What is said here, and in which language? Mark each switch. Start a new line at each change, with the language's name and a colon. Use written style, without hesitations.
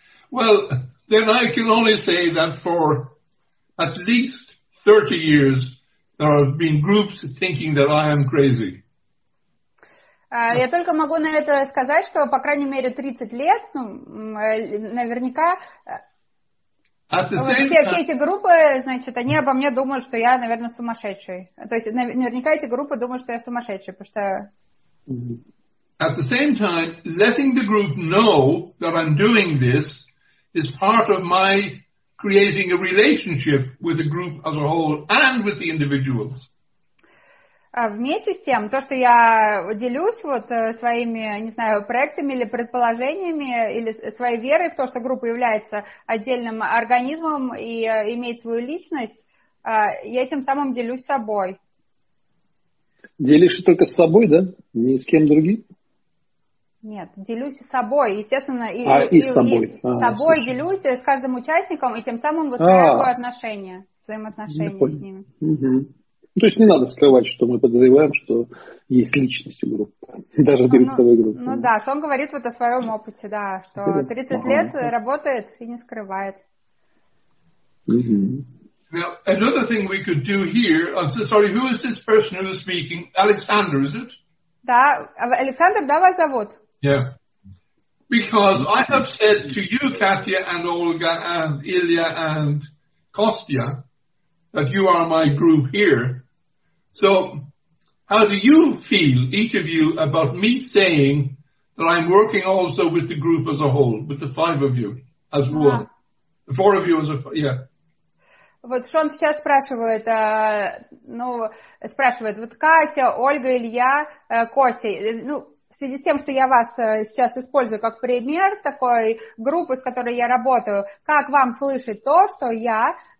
English: Well, then I can only say that for at least 30 years there have been groups thinking that I am crazy.
Russian: Я только могу на это сказать, что по крайней мере 30 лет, ну, наверняка, все эти группы, значит, они обо мне думают, что я, наверное, сумасшедший. То есть наверняка эти группы думают, что я сумасшедший, потому что...
English: At the same time, letting the group know that I'm doing this is part of my creating a relationship with the group as a whole and with the individuals.
Russian: Вместе с тем, то, что я делюсь вот своими, не знаю, проектами или предположениями, или своей верой в то, что группа является отдельным организмом и имеет свою личность, я тем самым делюсь собой. Делишься только с собой, да? Ни с кем другим? Нет, делюсь с собой, естественно. С собой делюсь, с каждым участником, и тем самым выстраиваю отношения, взаимоотношения с ними. Ну, то есть не надо скрывать, что мы подозреваем, что есть личность у группы, даже директоровой группы. Ну да, что он говорит вот о своем опыте, да, что 30 лет работает и не скрывает.
English: Now, another thing we could do here, I'm so sorry, who is this person who is speaking? Александр, is it?
Russian: Да, Александр, да, вас зовут?
English: Yeah. Because I have said to you, Katya, and Olga, and Ilya, and Костя, that you are my group here. So, how do you feel, each of you, about me saying that I'm working also with the group as a whole, with the five of you as one? The four of you as a... Yeah.
Russian: Вот Шон сейчас спрашивает, ну, спрашивает, вот Катя, Ольга, Илья, Костя, ну, в связи с тем, что я вас сейчас использую как пример такой группы, с которой я работаю, как вам слышать то, что я...